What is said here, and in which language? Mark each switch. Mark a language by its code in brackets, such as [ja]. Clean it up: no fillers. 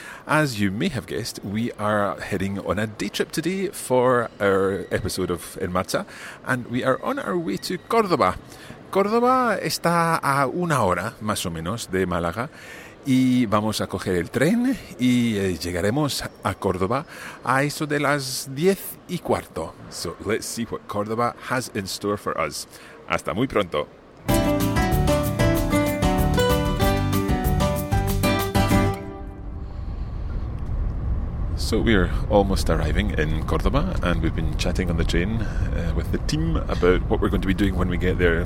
[en] As you may have guessed, we are heading on a day trip today for our episode of En Marcha, and we are on our way to Córdoba. [es] Córdoba está a una hora, más o menos, de Málaga, y vamos a coger el tren y llegaremos a Córdoba a eso de las 10:15. [en] So let's see what Córdoba has in store for us. [es] Hasta muy pronto. [en] So we're almost arriving in Córdoba, and we've been chatting on the train with the team about what we're going to be doing when we get there.